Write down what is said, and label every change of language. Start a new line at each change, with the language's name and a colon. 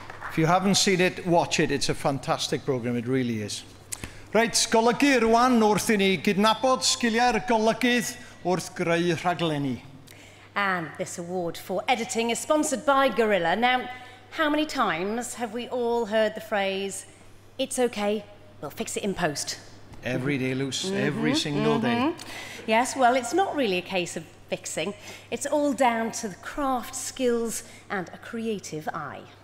English: If you haven't seen it, watch it. It's a fantastic program, it really is.
Welsh: Right, golygu rwan wrth I ni gydnabod sgiliau'r golygydd wrth greu rhaglenni.
English: And this award for editing is sponsored by Gorilla. Now, how many times have we all heard the phrase, it's okay, we'll fix it in post? Every day, Luce, mm-hmm. Every single mm-hmm. day. Yes, well, it's not really a case of fixing. It's all down to the craft, skills and a creative eye.